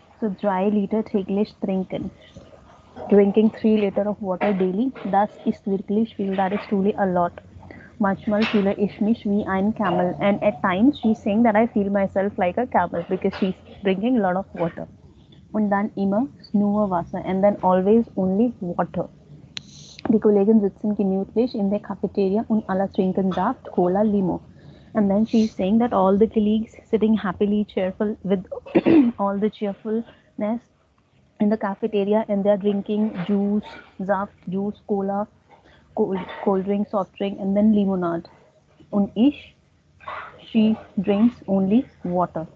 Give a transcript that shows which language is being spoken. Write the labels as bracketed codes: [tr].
[de] So 3 liter täglich trinken. [en] Drinking 3 liter of water daily. [de] Das ist wirklich viel. [en] That is truly a lot. [de] Manchmal fühle ich mich wie ein Kamel. [en] And at times she's saying that I feel myself like a camel because she's drinking a lot of water. [de] Und dann immer nur Wasser. [en] And then always only water. [de] Die Kollegen sitzen gemütlich in der Cafeteria und alle trinken Saft, Cola, Limo. [en] And then she's saying that all the colleagues sitting happily, cheerful, with all the cheerfulness in the cafeteria and they're drinking juice, Saft, juice, cola. cold drink, soft drink, and then limonade. Un ish, she drinks only water.